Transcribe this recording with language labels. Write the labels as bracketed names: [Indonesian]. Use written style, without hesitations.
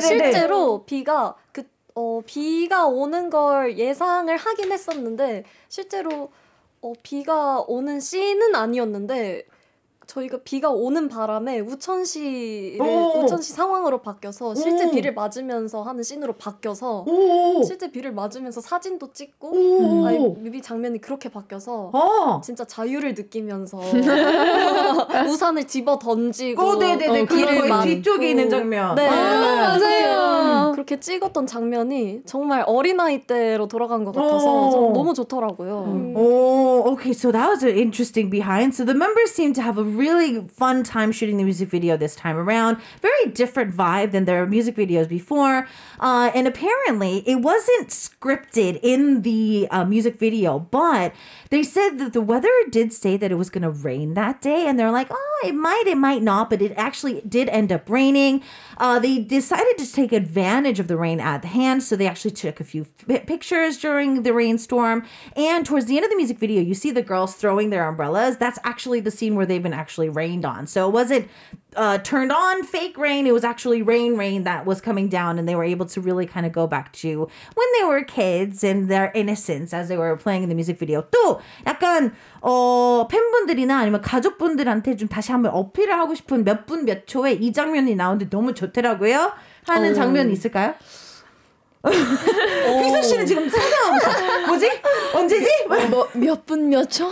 [Korean] 실제로 비가 그 비가 오는 걸 예상을 하긴 했었는데 실제로 비가 오는 씬은 아니었는데 저희가 비가 오는 바람에 우천시 상황으로 바뀌어서 실제 비를 맞으면서 하는 씬으로 바뀌어서 실제 비를 맞으면서 사진도 찍고 아니, 뮤비 장면이 그렇게 바뀌어서 진짜 자유를 느끼면서 우산을 집어 던지고 비를 맞고 뒤쪽에 있는 장면 네 맞아요 그렇게 찍었던 장면이 정말 어린아이 때로 돌아간 것 같아서 너무 좋더라고요. [English] Okay, so that was an interesting behind. So the members seem to have a really fun time shooting the music video this time around. Very different vibe than their music videos before. And apparently, it wasn't scripted in the music video, but they said that the weather did say that it was going to rain that day, and they're like, it might not, but it actually did end up raining. They decided to take advantage of the rain at hand, so they actually took a few pictures during the rainstorm. And towards the end of the music video, you see the girls throwing their umbrellas. That's actually the scene where they've been actually rained on. So it wasn't turned on fake rain. It was actually rain that was coming down, and they were able to really kind of go back to when they were kids and their innocence as they were playing in the music video. [Korean] 또 약간 팬분들이나 아니면 가족분들한테 좀 다시 한번 어필을 하고 싶은 몇 분 몇 초에 이 장면이 나오는데 너무 좋더라고요. 하는 장면 있을까요? 휘수 씨는 지금 상상하고 있어. 뭐지? 언제지? 몇 분 몇 초?